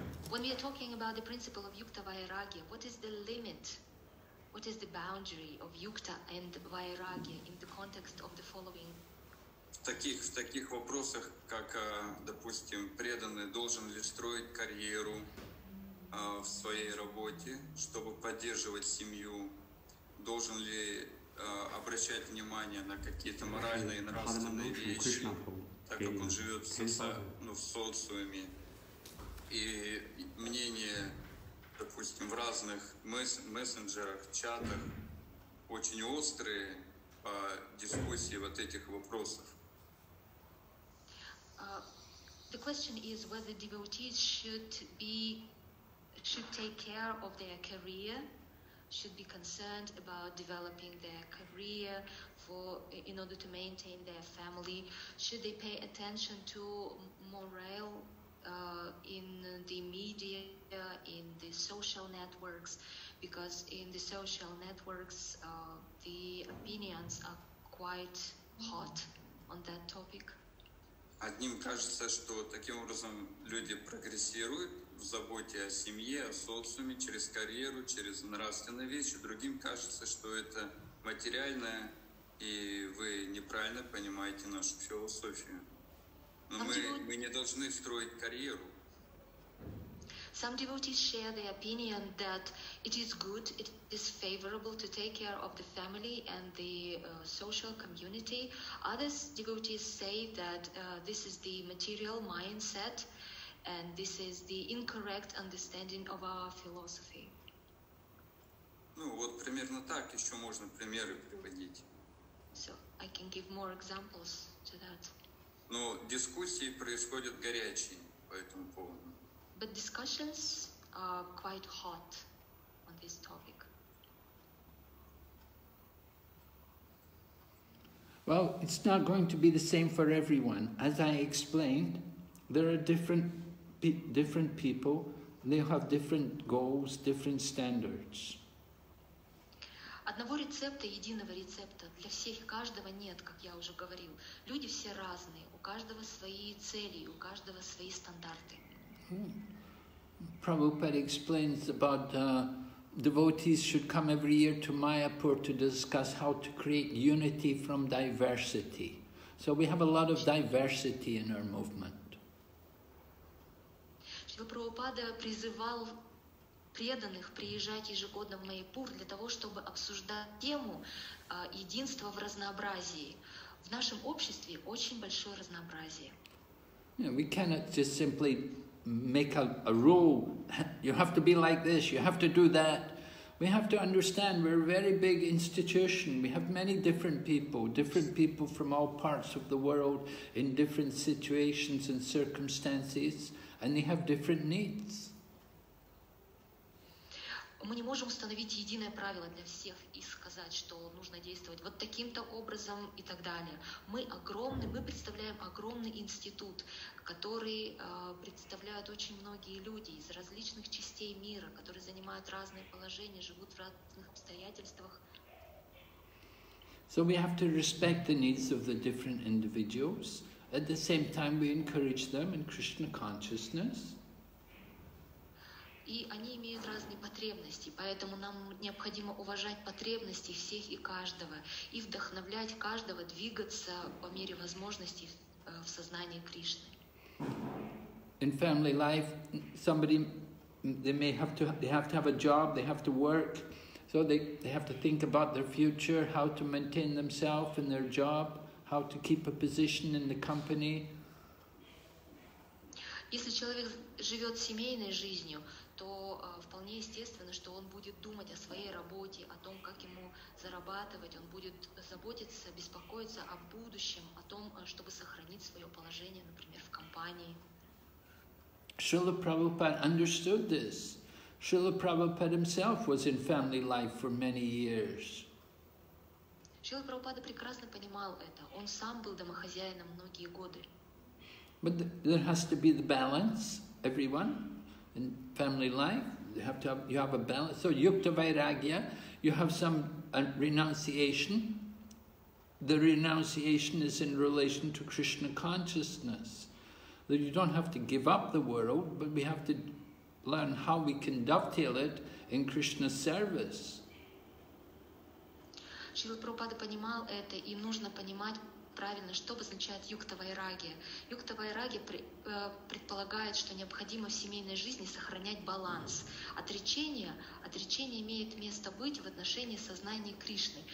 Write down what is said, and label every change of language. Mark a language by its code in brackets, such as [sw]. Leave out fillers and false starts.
[en] When we are talking about the principle of yukta-vairagya, what is the limit? What is the boundary of yukta and vairagya in the context of the following? [ru] В таких вопросах, как, допустим, преданный должен ли строить карьеру в своей работе, чтобы поддерживать семью, должен ли обращать внимание на какие-то моральные и нравственные вещи, так как он живет в социуме. И мнение, допустим, в разных мессенджерах, чатах очень острые по дискуссии вот этих вопросов. [en] The question is whether devotees should take care of their career, should be concerned about developing their career in order to maintain their family, should they pay attention to morale in the media, in the social networks, because in the social networks the opinions are quite hot on that topic. [ru] Одним кажется, что таким образом люди прогрессируют в заботе о семье, о социуме, через карьеру, через нравственные вещи. Другим кажется, что это материальное, и вы неправильно понимаете нашу философию. Но мы не должны строить карьеру. [en] Some devotees share the opinion that it is good, it is favorable to take care of the family and the social community. Other devotees say that this is the material mindset and this is the incorrect understanding of our philosophy. [ru] Ну, вот примерно так еще можно примеры приводить. [en] So I can give more examples to that. [ru] Но дискуссии происходят горячие по этому поводу. [en] But discussions are quite hot on this topic. Well, it's not going to be the same for everyone. As I explained, there are different people. They have different goals, different standards. [ru] Одного рецепта, единого рецепта для всех и каждого нет, как я уже говорил. Люди все разные, у каждого свои цели, у каждого свои стандарты. [en] Prabhupada explains about devotees should come every year to Mayapur to discuss how to create unity from diversity. So we have a lot of diversity in our movement. [ru] Шрила Прабхупада призывал преданных приезжать ежегодно в Майяпур для того, чтобы обсуждать тему единства в разнообразии. В нашем обществе очень большое разнообразие. [en] Yeah, we cannot just simply make a rule, you have to be like this, you have to do that. We have to understand we're a very big institution, we have many different people from all parts of the world in different situations and circumstances, and they have different needs. [ru] Мы не можем установить единое правило для всех и сказать, что нужно действовать вот таким-то образом и так далее. Мы представляем огромный институт, который представляют очень многие люди из различных частей мира, которые занимают разные положения, живут в разных обстоятельствах. [en] So we have to respect the needs of the different individuals. At the same time, we encourage them in Krishna consciousness. [ru] и они имеют разные потребности, поэтому нам необходимо уважать потребности всех и каждого и вдохновлять каждого двигаться по мере возможностей в сознании Кришны. [en] In family life, somebody they have to have a job, they have to work, so they have to think about their future, how to maintain themselves in their job, how to keep a position in the company. [ru] Если человек живет семейной жизнью, то вполне естественно, что он будет думать о своей работе, о том, как ему зарабатывать, он будет заботиться, беспокоиться о будущем, о том, чтобы сохранить свое положение, например, в компании. [en] Шрила Прабхупада understood this. Шрила Прабхупада himself was in family life for many years. [ru] Шрила Прабхупада прекрасно понимал это. Он сам был домохозяином многие годы. [en] But there has to be the balance, everyone, in family life. You have a balance. So yukta vairagya, you have some renunciation. The renunciation is in relation to Krishna consciousness. That you don't have to give up the world, but we have to learn how we can dovetail it in Krishna's service. [ru] Шрила Прабхупада понимал это, и нужно понимать правильно, что означает юкта вайрагия. Юкта вайрагия предполагает, что необходимо в семейной жизни сохранять баланс. Отречение имеет место быть в отношении сознания Кришны.